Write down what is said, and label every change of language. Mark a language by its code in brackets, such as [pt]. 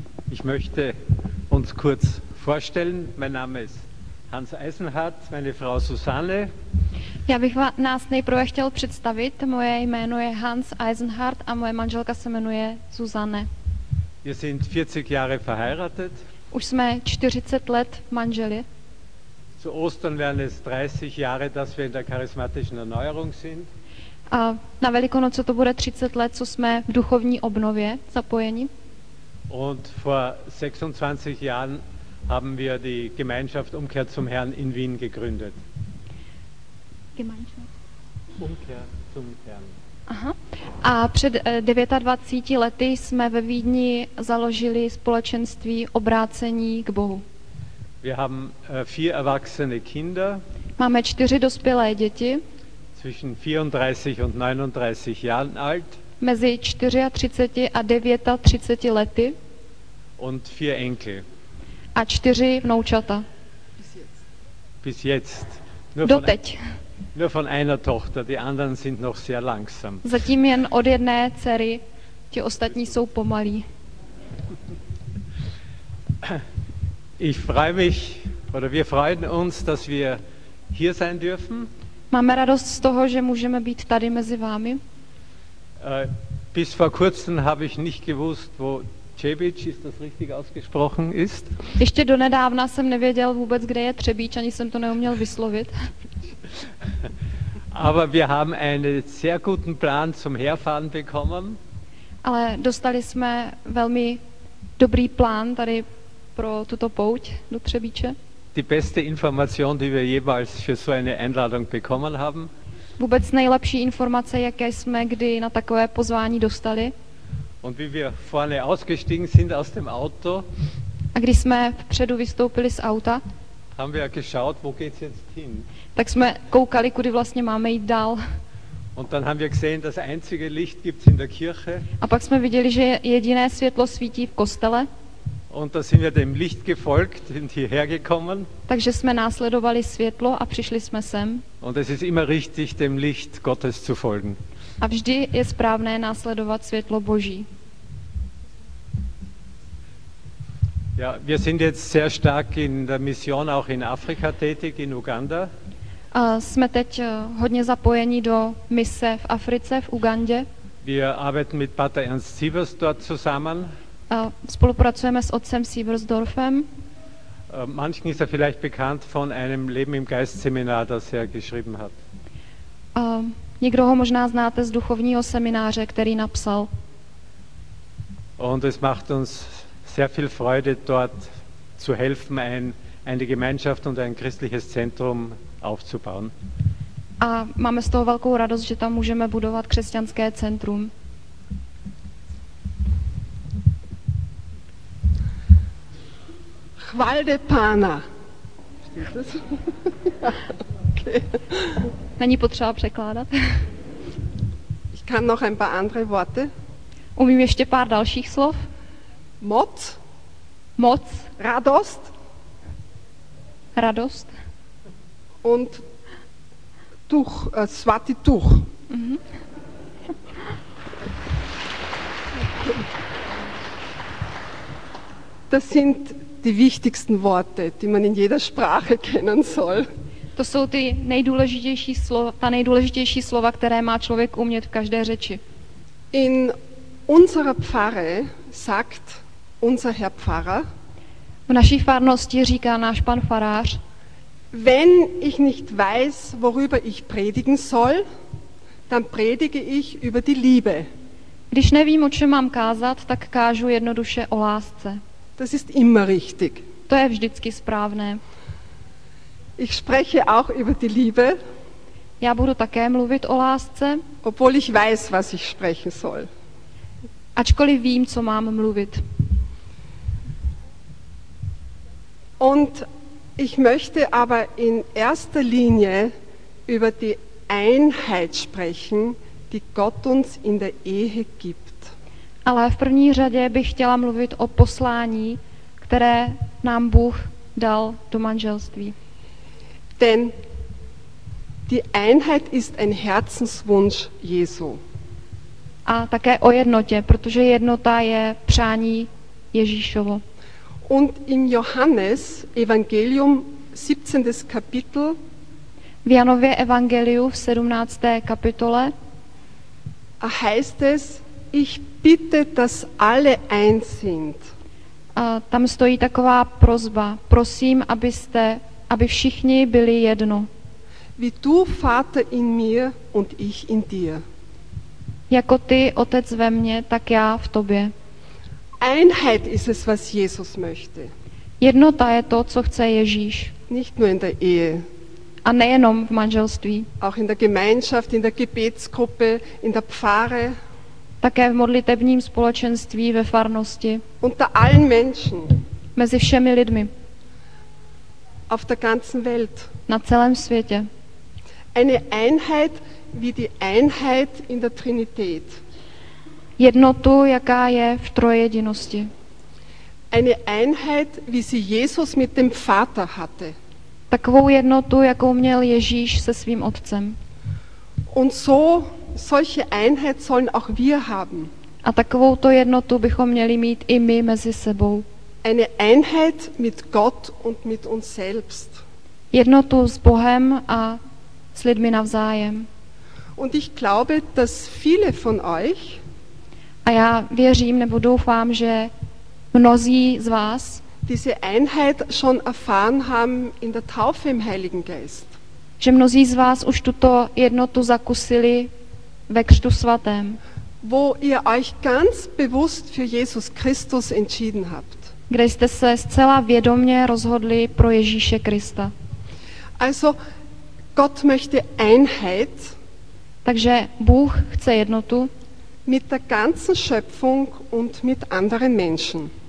[de] Ich möchte uns kurz vorstellen. Mein Name ist Hans Eisenhardt, meine Frau Susanne. [cs] Já bych nás nejprve chtěl představit. Moje jméno je Hans Eisenhardt a moje manželka se jmenuje Susanne. [de] Wir sind 40 Jahre verheiratet. [cs] Už jsme 40 let manželi. [de] Zu Ostern werden es 30 Jahre, dass wir in der charismatischen Erneuerung sind. [cs] A na Velikonoce to bude 30 let, co jsme v duchovní obnově zapojeni. [de] Und vor 26 Jahren haben wir die Gemeinschaft Umkehr zum Herrn in Wien gegründet. Gemeinschaft Umkehr zum Herrn. Aha. [cs] A před 29 lety jsme ve Vídni založili společenství obrácení k Bohu. [de] Wir haben vier erwachsene Kinder. [cs] Máme 4 dospělé děti. [de] Zwischen 34 und 39 Jahren alt. [cs] Mezi 34 a 39 lety. [de] Und vier Enkel. [cs] A 4 vnoučata. [de] Bis jetzt. [cs] Doteď. [de] Nur von einer Tochter, die anderen sind noch sehr langsam. [cs] Zatím jen od jedné dcery, ti ostatní jsou pomalí. [de] Ich freue mich, oder wir freuen uns, dass wir hier sein dürfen. [cs] Máme radost z toho, že můžeme být tady mezi vámi. [de] Bis vor kurzem habe ich nicht gewusst, wo Třebíč, ist das richtig ausgesprochen, ist. [cs] Ještě do nedávna jsem nevěděl vůbec, kde je Třebíč, ani jsem to neuměl vyslovit. [de] Aber wir haben einen sehr guten Plan zum Herfahren bekommen. [cs] Ale dostali jsme velmi dobrý plán tady pro tuto pouť do Třebíče. [de] Die beste Information, die wir jemals für so eine Einladung bekommen haben. [cs] Vůbec nejlepší informace, jaké jsme kdy na takové pozvání dostali. [de] Und wie wir vorne ausgestiegen sind aus dem Auto. [cs] A když jsme vpředu vystoupili z auta. [de] Haben wir geschaut, wo geht's jetzt hin? [cs] Tak jsme koukali, kudy vlastně máme jít dál. [de] Und dann haben wir gesehen, das einzige Licht gibt's in der Kirche. [cs] A pak jsme viděli, že jediné světlo svítí v kostele. [de] Und da sind wir dem Licht gefolgt und hierher gekommen. [cs] Takže jsme následovali světlo a přišli jsme sem. [de] Und es ist immer richtig, dem Licht Gottes zu folgen. [cs] A vždy je správné následovat světlo Boží. [de] Ja, wir sind jetzt sehr stark in der Mission auch in Afrika tätig, in Uganda. [cs] Jsme teď hodně zapojeni do mise v Africe, v Ugandě. [de] Wir arbeiten mit Pater Ernst Sievers dort zusammen. [cs] Spolupracujeme s otcem Sieversdorfem. [de] Manchen ist er vielleicht bekannt von einem Leben im Geist-Seminar, das er geschrieben hat. [cs] Někdo ho možná znáte z duchovního semináře, který napsal. [de] Und es macht uns sehr viel Freude, dort zu helfen, eine Gemeinschaft und ein christliches Zentrum aufzubauen. [cs] A máme z toho velkou radost, že tam můžeme budovat křesťanské centrum. Chvalde Pána. Není potřeba překládat. [de] Ich kann noch ein paar andere Worte. [cs] Umím ještě pár dalších slov. Moc. Moc. Radost. Radost. [de] Und Tuch, [cs] svatý Tuch. [de] Das sind die wichtigsten Worte, die man in jeder Sprache kennen soll. [cs] To jsou ty nejdůležitější slova, ta nejdůležitější slova, které má člověk umět v každé řeči. [de] In unserer Pfarre sagt unser Herr Pfarrer. [cs] V naší farnosti říká náš pan farář. [de] Wenn ich nicht weiß, worüber ich predigen soll, dann predige ich über die Liebe. [cs] Když nevím, o čem mám kázat, tak kážu jednoduše o lásce. [de] Das ist immer richtig. [cs] To je vždycky správné. [de] Ich spreche auch über die Liebe. [cs] Já budu také mluvit o lásce. [de] Obwohl ich weiß, was ich sprechen soll. [cs] Ačkoliv vím, co mám mluvit. [de] Und ich möchte aber in erster Linie über die Einheit sprechen, die Gott uns in der Ehe gibt. [cs] Ale v první řadě bych chtěla mluvit o poslání, které nám Bůh dal do manželství. [de] Denn die Einheit ist ein Herzenswunsch Jesu. [cs] A také o jednotě, protože jednota je přání Ježíšovo. [de] Und im Johannes Evangelium 17. Kapitel [cs] v Janově Evangeliu v 17. kapitole [de] heißt es, ich bitte, dass alle eins sind. [cs] A tam stojí taková prosba, prosím, aby všichni byli jedno. [de] Wie du, Vater, in mir und ich in dir. [cs] Jako ty, Otec, ve mně, tak já v tobě. [de] Einheit ist es, was Jesus möchte. [cs] Jednota je to, co chce Ježíš. [de] Nicht nur in der Ehe. [cs] A nejenom v manželství. [de] Auch in der Gemeinschaft, in der Gebetsgruppe, in der Pfarre. [cs] Také v modlitebním společenství, ve farnosti. [de] Unter allen Menschen. [cs] Mezi všemi lidmi. [de] Auf der ganzen Welt. [cs] Na celém světě. [de] Eine Einheit wie die Einheit in der Trinität. [cs] Jednotu, jaká je v trojedinosti. [de] Eine Einheit, wie sie Jesus mit dem Vater hatte. [cs] Takovou jednotu, jakou měl Ježíš se svým otcem. [de] Und so solche Einheit sollen auch wir haben. [cs] A takovou to jednotu bychom měli mít i my mezi sebou. [de] Eine Einheit mit Gott und mit uns selbst. [cs] Jednotu s Bohem a s lidmi navzájem. [de] Und ich glaube, dass viele von euch. [cs] A já věřím nebo doufám, že mnozí z vás [de] diese Einheit schon erfahren haben in der Taufe im Heiligen Geist. [cs] Že mnozí z vás už tuto jednotu zakusili ve křtu svatém. [de] Wo ihr euch ganz bewusst für Jesus Christus entschieden habt. [cs] Kde jste se zcela vědomě rozhodli pro Ježíše Krista. [de] Also Gott möchte Einheit. [cs] Takže Bůh chce jednotu. [de] Mit der ganzen Schöpfung und mit anderen Menschen.